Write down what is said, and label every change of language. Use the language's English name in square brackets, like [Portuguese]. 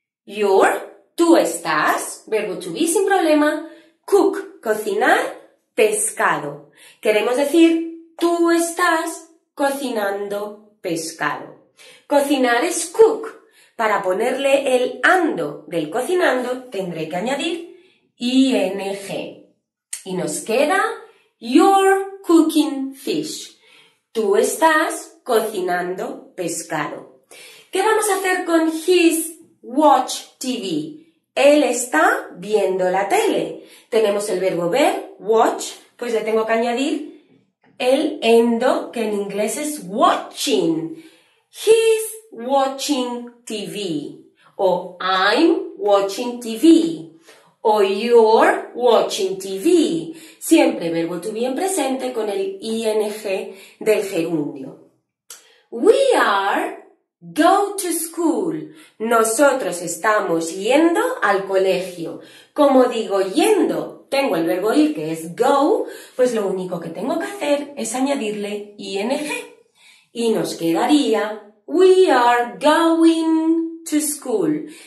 [Spanish] Your, tú estás, verbo to be sin problema, cook, cocinar, pescado. Queremos decir, tú estás cocinando pescado. Cocinar es cook. Para ponerle el ando del cocinando, tendré que añadir ing. Y nos queda, [English] you're cooking fish. [Spanish] Tú estás cocinando pescado. ¿Qué vamos a hacer con [English] his watch TV? [Spanish] Él está viendo la tele. Tenemos el verbo ver, watch, pues le tengo que añadir el endo, que en inglés es watching. [English] He's watching TV. [Spanish] O [English] I'm watching TV. [Spanish] O [English] you're watching TV. [Spanish] Siempre verbo to be en presente con el ing del gerundio. [English] We are go to school. [Spanish] Nosotros estamos yendo al colegio. Como digo yendo, tengo el verbo ir que es go, pues lo único que tengo que hacer es añadirle ing. Y nos quedaría, [English] we are going to school.